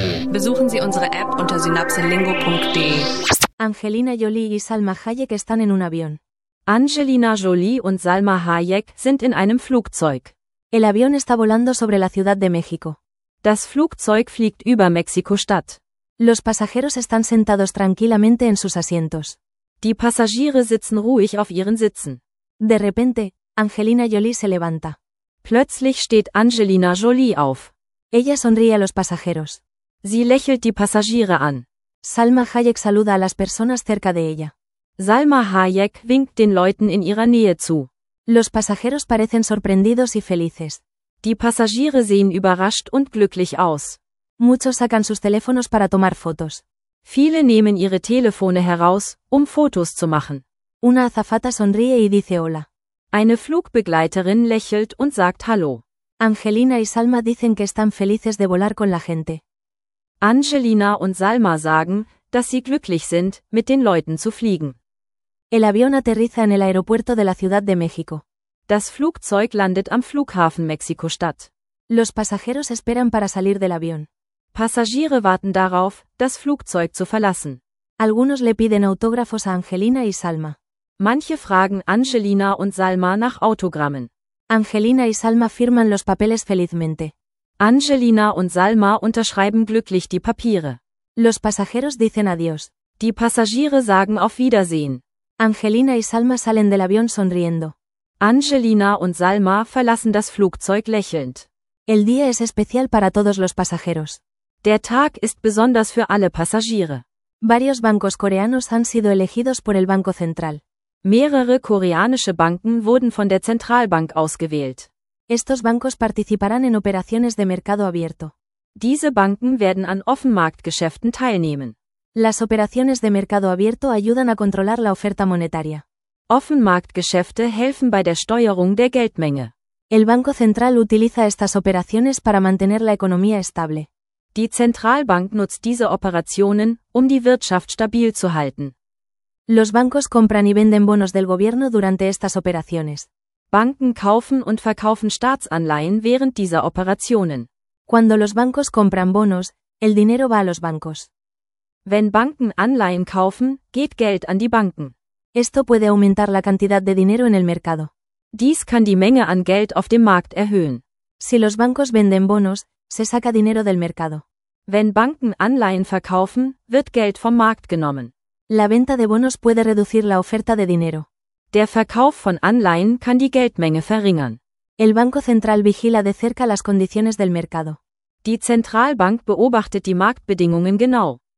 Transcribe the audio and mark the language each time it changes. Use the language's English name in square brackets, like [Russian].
[German] Besuchen Sie unsere App unter synapselingo.de. [Spanish] Angelina Jolie y Salma Hayek están en un avión. [German] Angelina Jolie und Salma Hayek sind in einem Flugzeug. [Spanish] El avión está volando sobre la Ciudad de México. [German] Das Flugzeug fliegt über Mexiko-Stadt. [Spanish] Los pasajeros están sentados tranquilamente en sus asientos. [German] Die Passagiere sitzen ruhig auf ihren Sitzen. [Spanish] De repente, Angelina Jolie se levanta. [German] Plötzlich steht Angelina Jolie auf. [Spanish] Ella sonríe a los pasajeros. [German] Sie lächelt die Passagiere an. [Spanish] Salma Hayek saluda a las personas cerca de ella. [German] Salma Hayek winkt den Leuten in ihrer Nähe zu. [Spanish] Los pasajeros parecen sorprendidos y felices. [German] Die Passagiere sehen überrascht und glücklich aus. [Spanish] Muchos sacan sus teléfonos para tomar fotos. [German] Viele nehmen ihre Telefone heraus, um Fotos zu machen. [Spanish] Una azafata sonríe y dice hola. [German] Eine Flugbegleiterin lächelt und sagt hallo. [Spanish] Angelina y Salma dicen que están felices de volar con la gente. [German] Angelina und Salma sagen, dass sie glücklich sind, mit den Leuten zu fliegen. [Spanish] El avión aterriza en el aeropuerto de la Ciudad de México. [German] Das Flugzeug landet am Flughafen Mexiko-Stadt. [Spanish] Los pasajeros esperan para salir del avión. [German] Passagiere warten darauf, das Flugzeug zu verlassen. [Spanish] Algunos le piden autógrafos a Angelina y Salma. [German] Manche fragen Angelina und Salma nach Autogrammen. [Spanish] Angelina y Salma firman los papeles felizmente. [German] Angelina und Salma unterschreiben glücklich die Papiere. [Spanish] Los pasajeros dicen adiós. [German] Die Passagiere sagen auf Wiedersehen. [Spanish] Angelina y Salma salen del avión sonriendo. [German] Angelina und Salma verlassen das Flugzeug lächelnd. [Spanish] El día es especial para todos los pasajeros. [German] Der Tag ist besonders für alle Passagiere. [Spanish] Varios bancos coreanos han sido elegidos por el Banco Central. [German] Mehrere koreanische Banken wurden von der Zentralbank ausgewählt. [Spanish] Estos bancos participarán en operaciones de mercado abierto. [German] Diese Banken werden an Offenmarktgeschäften teilnehmen. [Spanish] Las operaciones de mercado abierto ayudan a controlar la oferta monetaria. [German] Offenmarktgeschäfte helfen bei der Steuerung der Geldmenge. [Spanish] El Banco Central utiliza estas operaciones para mantener la economía estable. [German] Die Zentralbank nutzt diese Operationen, um die Wirtschaft stabil zu halten. [Spanish] Los bancos compran y venden bonos del gobierno durante estas operaciones. [German] Banken kaufen und verkaufen Staatsanleihen während dieser Operationen. [Spanish] Cuando los bancos compran bonos, el dinero va a los bancos. [German] Wenn Banken Anleihen kaufen, geht Geld an die Banken. [Spanish] Esto puede aumentar la cantidad de dinero en el mercado. [German] Dies kann die Menge an Geld auf dem Markt erhöhen. [Spanish] Si los bancos venden bonos, se saca dinero del mercado. [German] Wenn Banken Anleihen verkaufen, wird Geld vom Markt genommen. [Spanish] La venta de bonos puede reducir la oferta de dinero. [German] Der Verkauf von Anleihen kann die Geldmenge verringern. [Spanish] El Banco Central vigila de cerca las condiciones del mercado. [German] Die Zentralbank beobachtet die Marktbedingungen genau.